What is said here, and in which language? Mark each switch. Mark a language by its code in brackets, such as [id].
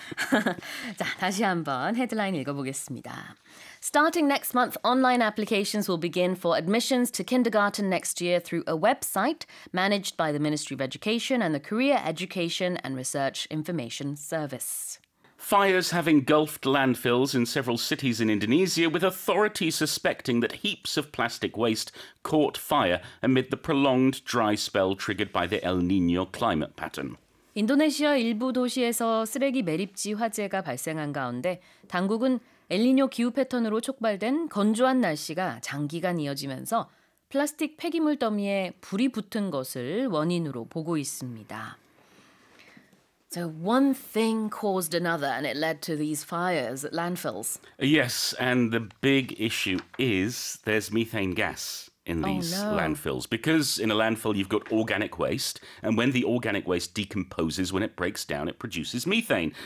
[ko] 자, 다시 한번 헤드라인 읽어보겠습니다. [en] Starting next month, online applications will begin for admissions to kindergarten next year through a website managed by the Ministry of Education and the Korea Education and Research Information Service. Fires have engulfed landfills in several cities in Indonesia, with authorities suspecting that heaps of plastic waste caught fire amid the prolonged dry spell triggered by the El Niño climate pattern. [ko] 인도네시아 일부 도시에서 쓰레기 매립지 화재가 발생한 가운데 당국은 엘니뇨 기후 패턴으로 촉발된 건조한 날씨가 장기간 이어지면서 플라스틱 폐기물 더미에 불이 붙은 것을 원인으로 보고 있습니다. [en] So one thing caused another and it led to these fires at landfills. Yes, and the big issue is there's methane gas in these landfills. Because in a landfill you've got organic waste, and when the organic waste decomposes, when it breaks down, it produces methane.